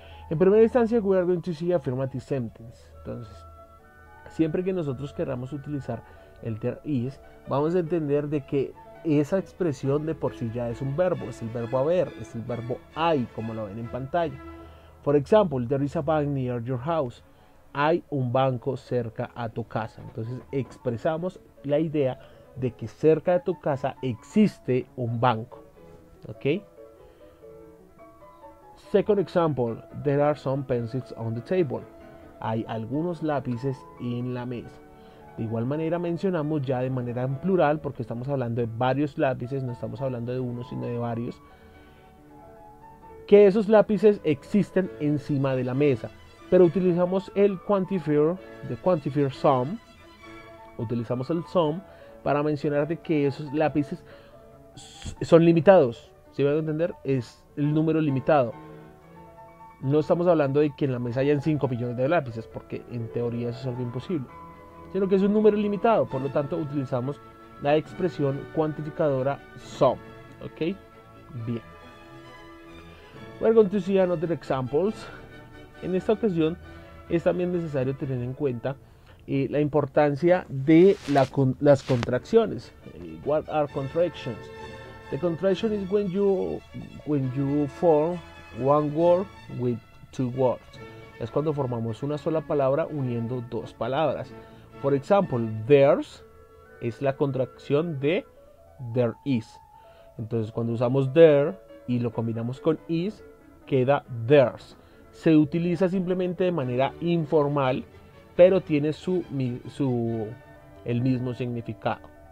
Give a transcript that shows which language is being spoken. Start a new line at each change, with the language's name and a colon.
Spanish: En primera instancia,
English: we are going to see affirmative sentence.
Spanish: Entonces, siempre que nosotros queramos utilizar el there is, vamos a entender de que esa expresión de por sí ya es un verbo, es el verbo haber, es el verbo hay, como lo ven en pantalla.
English: For example, there is a bank near your house.
Spanish: Hay un banco cerca a tu casa. Entonces expresamos la idea de que cerca de tu casa existe un banco. ¿Ok?
English: Second example, there are some pencils on the table.
Spanish: Hay algunos lápices en la mesa. De igual manera mencionamos ya de manera en plural, porque estamos hablando de varios lápices, no estamos hablando de uno sino de varios, que esos lápices existen encima de la mesa. Pero utilizamos el quantifier, the quantifier some, utilizamos el some para mencionar de que esos lápices son limitados. ¿Sí van a entender? Es el número limitado. No estamos hablando de que en la mesa hayan 5 millones de lápices, porque en teoría eso es algo imposible, sino que es un número limitado, por lo tanto utilizamos la expresión cuantificadora sum. ¿Ok? Bien.
English: We're going to see another examples.
Spanish: En esta ocasión es también necesario tener en cuenta la importancia de las contracciones.
English: What are contractions? The contraction is when you form one word with two words.
Spanish: Es cuando formamos una sola palabra uniendo dos palabras.
English: For example, there's
Spanish: es la contracción de
English: there is.
Spanish: Entonces, cuando usamos there y lo combinamos con is, queda there's. Se utiliza simplemente de manera informal, pero tiene el mismo significado.